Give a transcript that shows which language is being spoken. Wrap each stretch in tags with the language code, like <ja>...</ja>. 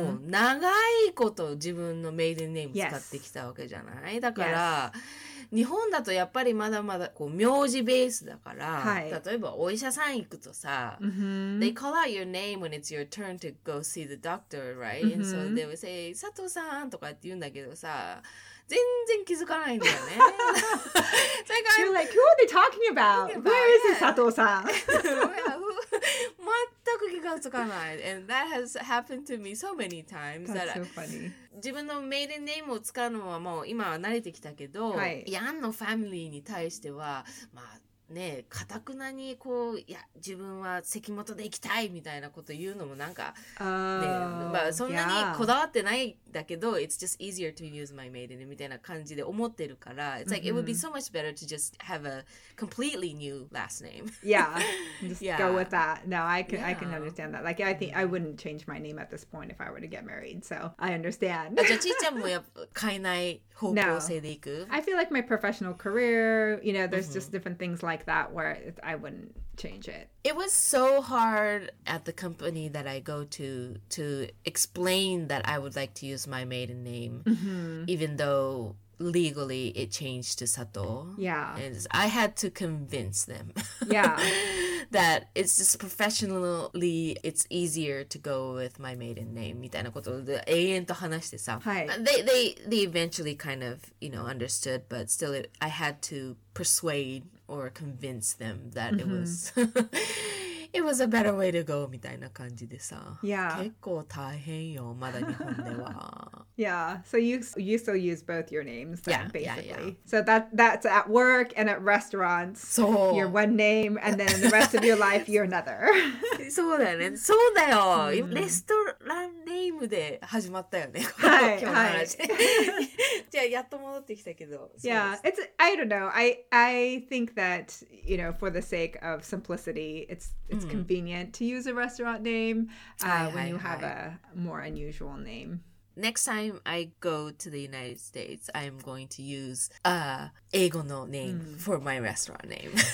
<ja>もう長いこと自分のメイデンネーム使ってきたわけじゃない、yes. だから、yes. 日本だとやっぱりまだまだこう名字ベースだから、はい、例えばお医者さん行くとさ、 mm-hmm.</ja> <en>They call out your name when it's your turn to go see the doctor, right? And so they would say,</en> <ja>佐藤さんとかって言うんだけどさ、全然気づかないんだよね。</ja> <en>So like, You're like, who are they talking about? Where is it, 佐藤さん?</en> <ja>全く気がつかない。</ja> <en>And that has happened to me so many times. That's so funny.</en> <ja>自分のメイデンネームを使うのはもう今は慣れてきたけど、ヤンのファミリーに対しては、まあね、かたくなにこう、いや、自分は関本で行きたいみたいなこと言うのもなんか、ね、まあそんなにこだわってないんだけど、</ja> <en>It's just easier to use my maiden name</en> <ja>みたいな感じで思ってるから、</ja> <en>It's like, it would be so much better to just have a completely new last name. Yeah, just go with that. No, I can understand that. Like, I think I wouldn't change my name at this point if I were to get married, so I understand.</en> <ja>じゃあ、ちーちゃんもやっぱ変えない方向性でいく?</ja> <en>No. I feel like my professional career, you know, there's just different things like that where I wouldn't change it. It was so hard at the company that I go to explain that I would like to use my maiden name, even though legally it changed to Sato. Yeah. And I had to convince them. Yeah. That it's just professionally, it's easier to go with my maiden name,</en> <ja>みたいなことで永遠と話してさ。はい。</ja> <en>They eventually kind of, you know, understood, but still I had to persuade or convince them that it was it was a better way to go</en> <ja>みたいな感じでさ。</ja> <en>Yeah.</en> <ja>結構大変よ、まだ日本では。</ja> <en>Yeah, so you still use both your names then, yeah, basically. Yeah, yeah. So that's at work and at restaurants. So you're one name and then the rest of your life you're another.</en> <ja>そうだね。そうだよ。レストランネームで始まったよね。はい。はい。じゃあやっと戻ってきたけど。</ja> <en>Yeah, it's I don't know. I think that, you know, for the sake of simplicity, it's convenient to use a restaurant name when you have a more unusual name. Next time I go to the United States, I'm going to use a 英語の name for my restaurant name.</en>